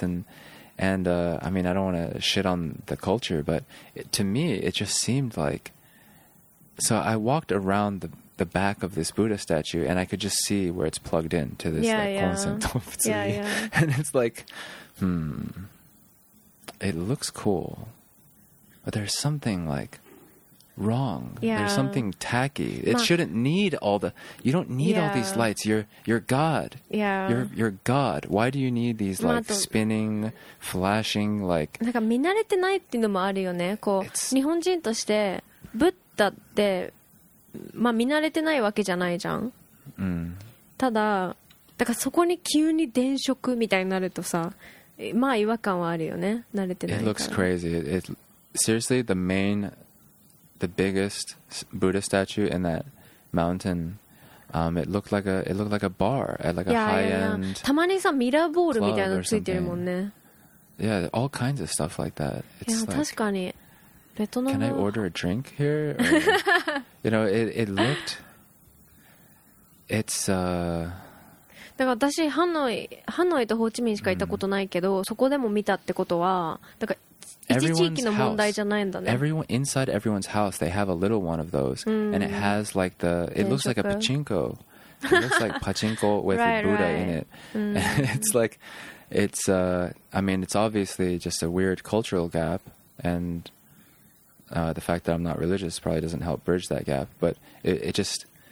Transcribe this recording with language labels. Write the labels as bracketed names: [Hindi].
[English] And I mean, I don't want to shit on the culture, but to me, it just seemed like, so I walked around the back of this Buddha statue and I could just see where it's plugged in to this and it's like, it looks cool. But there's something like wrong. Yeah. There's something tacky. It shouldn't need all the. You don't need all these lights. You're God. Yeah. You're God. Why do you need these like spinning, flashing like? [Japanese] なんか見慣れてないっていうのもあるよね。こう日本人としてブッダってまあ見慣れてないわけじゃないじゃん。ただだからそこに急に電飾みたいになるとさ、まあ違和感はあるよね。慣れてないから。 [English] It looks crazy. Seriously, the biggest Buddha statue in that mountain, it looked like a bar at like a high end. [Japanese] たまにさミラーボールみたいなのついてるもんね。 [English] Yeah, all kinds of stuff like that. It's yeah, [Japanese] like, 確かに。ベトナム。 [English] Can I order a drink here? Or, you know, it looked... It's... [Japanese] だから私ハノイとホーチミンしか行ったことないけど、そこでも見たってことは、だから一地域の問題じゃないんだね。 [English] Everyone inside everyone's house, they have a little one of those, and it has like the, it looks like a pachinko. It looks like pachinko with a Buddha in it. It's like, it's, I mean, it's obviously just a weird cultural gap, and the fact that I'm not religious probably doesn't help bridge that gap, but it just...